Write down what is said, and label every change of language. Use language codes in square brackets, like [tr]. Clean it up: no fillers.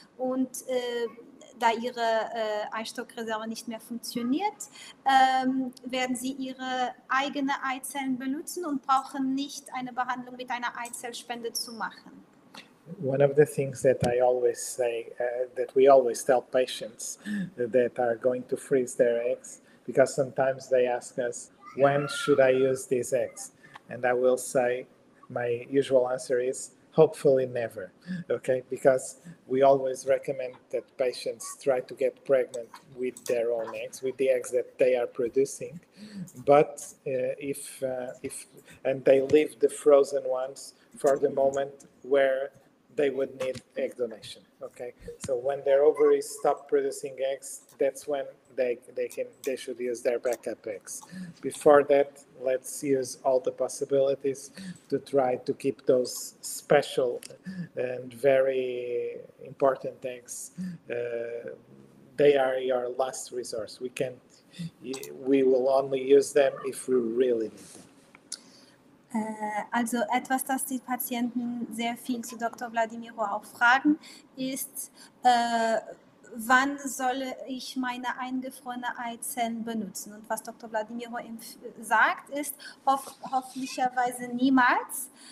[de] Und da ihre Eistockreserve nicht mehr funktioniert, werden sie ihre eigene Eizellen benutzen und brauchen nicht eine Behandlung mit einer Eizellspende zu machen. [en] One of the things that I always say, that we always tell patients that are going to freeze their eggs, because sometimes they ask us, when should I use these eggs? And I will say, my usual answer is, hopefully never, okay? Because we always recommend that patients try to get pregnant with their own eggs, with the eggs that they are producing. But if and they leave the frozen ones for the moment where they would need egg donation, okay? So when their ovaries stop producing eggs, that's when they should use their backup eggs. Before that, let's use all the possibilities to try to keep those special and very important eggs. They are your last resource. We will only use them if we really need them. [de] Also etwas, das die Patienten sehr viel zu Dr. Vladimiro auch fragen, ist, wann soll ich meine eingefrorene Eizellen benutzen? Und was Dr. Vladimiro sagt, ist hoffentlicherweise niemals.